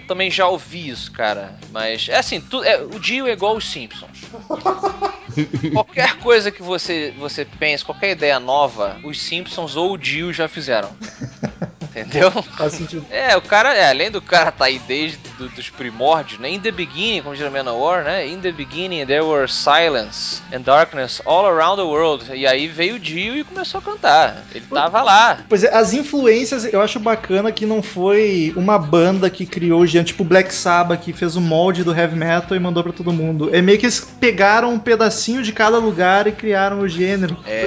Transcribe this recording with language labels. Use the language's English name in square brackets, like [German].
[Portuguese] Também já ouvi isso, cara. Mas, é assim, o Dio é igual os Simpsons. Qualquer coisa que você pense, qualquer ideia nova, os Simpsons ou o Dio já fizeram. Entendeu? Faz sentido. É, o cara, além do cara tá aí desde dos primórdios, né? [English] In the beginning, [Portuguese] como diz o Manowar, né? [English] In the beginning there were silence and darkness all around the world. [Portuguese] E aí veio o Dio e começou a cantar. Ele tava lá. Pois é, as influências, eu acho bacana que não foi uma banda que criou, tipo Black Sabbath, que fez o molde do heavy metal e mandou pra todo mundo. É meio que eles pegaram um pedacinho de cada lugar e criaram o gênero.